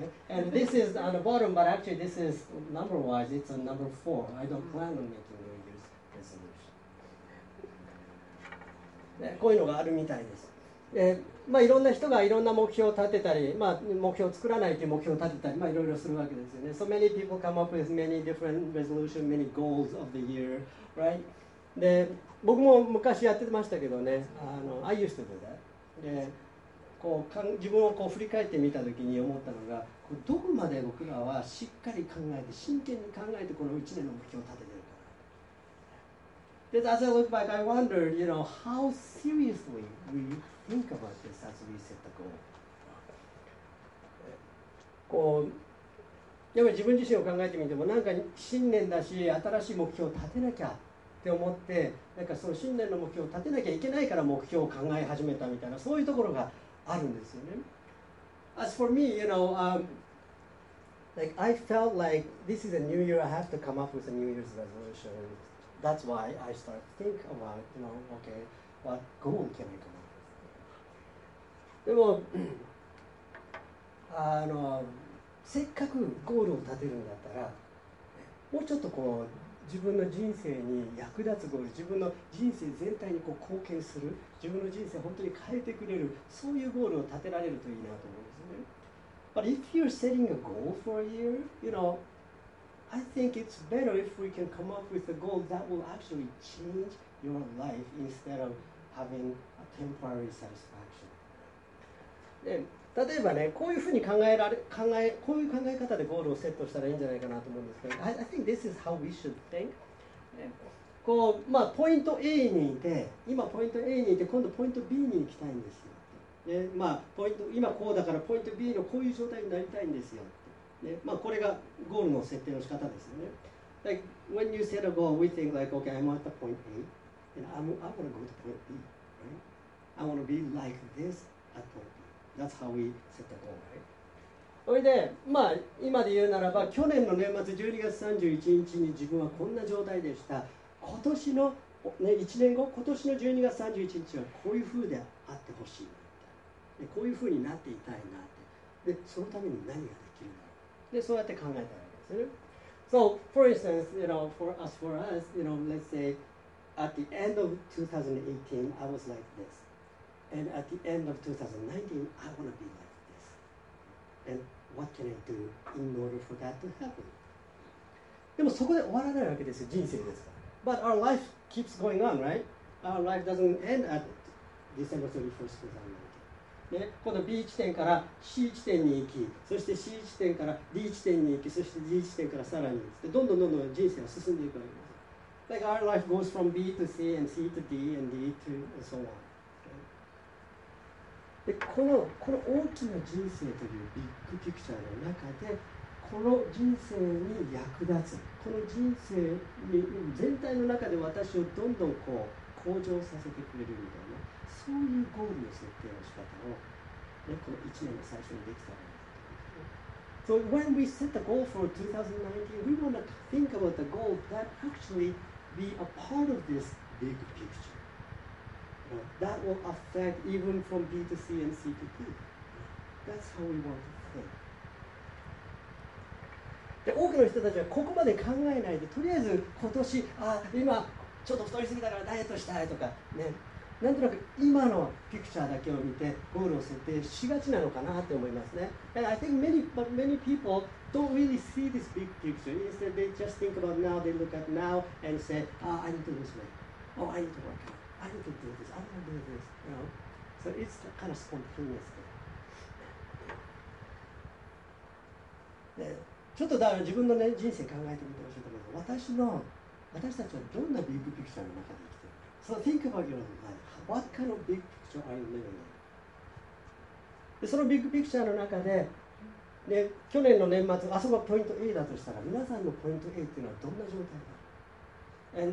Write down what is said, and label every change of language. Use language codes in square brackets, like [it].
[en] And this is on the bottom, but actually this is number-wise, it's on number four. I don't plan on making New Year's resolution. [ja] こういうのがあるみたいです。まあ、いろんな人がいろんな目標を立てたり、まあ、目標を作らないという目標を立てたり、まあ、いろいろするわけですよね。 [en] So many people come up with many different resolutions, many goals of the year, right? [ja] で、僕も昔やってましたけどね、 [en] I used to do that. [ja] 自分をこう振り返ってみたときに思ったのが、どこまで僕らはしっかり考えて、真剣に考えてこの1年の目標を立ててるかな。 [en] で、as I look back, I wondered, you know, how seriously we think about this as we set the goal. [ja] こう、やっぱり自分自身を考えてみても、なんか新年だし、新しい目標を立てなきゃ。って思って、なんかその新年の目標を立てなきゃいけないから目標を考え始めたみたいな、そういうところがあるんですよね。 [en] As for me, you know, like I felt like this is a new year, I have to come up with a new year's resolution. That's why I start to think about, you know, okay, what goal can I come up with? [ja] でも、せっかくゴールを立てるんだったら、もうちょっとこう、自分の人生に役立つゴール、自分の人生全体にこう貢献する、自分の人生を本当に変えてくれる、そういうゴールを立てられるといいなと思うんですね。 [en] But if you're setting a goal for a year, you know, I think it's better if we can come up with a goal that will actually change your life instead of having a temporary satisfaction. [ja] で、例えばね、こういうふうに考え方でゴールをセットしたらいいんじゃないかなと思うんですけど、 [en] I think this is how we should think. [ja] こう、まあ、ポイント A にいて、今ポイント A にいて、今度ポイント B に行きたいんですよ。ね、まあ、ポイント今こうだから、ポイント B のこういう状態になりたいんですよ。ね、まあ、これがゴールの設定の仕方ですよね。 [en] Like, when you set a goal, we think like, okay, I'm at the point A, and I want to go to point B.、Right? I want to be like this at point B. That's how we set the goal, right? [ja] それで、まあ、今で言うならば、去年の年末12月31日に自分はこんな状態でした。今年の、ね、1年後、今年の12月31日はこういう風であってほしいなって。で、こういう風になっていたいなって。で、そのために何ができるんだろう。で、そうやって考えたわけですね。 [en] So, for instance, you know, for us, you know, let's say, at the end of 2018, I was like this. And at the end of 2019, I want to be like this. And what can I do in order for that to happen? [ja] でもそこで終わらないわけですよ、人生ですから。 [en] But our life keeps going on, right? Our life doesn't end at December 31st, 2019. [ja] ね、この B 地点から C 地点に行き、そして C 地点から D 地点に行き、そして D 地点からさらに行って、どんどん人生は進んでいくわけです。 [en] Like our life goes from B to C and C to D and D to and so on. [ja] で、この大きな人生というビッグピクチャーの中で、この人生に役立つ、この人生に全体の中で私をどんどんこう向上させてくれるみたいな、そういうゴールの設定の仕方を、ね、この1年の最初にできたらいいと。 [en] So when we set the goal for 2019, we want to think about the goal that actually be a part of this big picture. That will affect even from B to C and C to D. That's how we want to think. [ja] で多くの人たちはここまで考えないで、とりあえず今年、あ、今ちょっと太りすぎたからダイエットしたいとかね、なんとなく今のピクチャーだけを見てゴールを設定しがちなのかなって思いますね。 [en] And I think many people don't really see this big picture. Instead they just think about now, they look at now and say, ah, I need to lose weight. Oh, I need to work out. I need to do this. I want to do this. You know? So it's kind of spontaneous. [ja] ねちょっとだから自分の、ね、人生考えてみてほしいと思います。私たちはどんなビッグピクチャーの中で生きているか。 [en] So think about your life. What kind of big picture are you living in? [ja] でそのビッグピクチャーの中で、ね、去年の年末、あそこがポイント A だとしたら、皆さんのポイント A っていうのはどんな状態だ。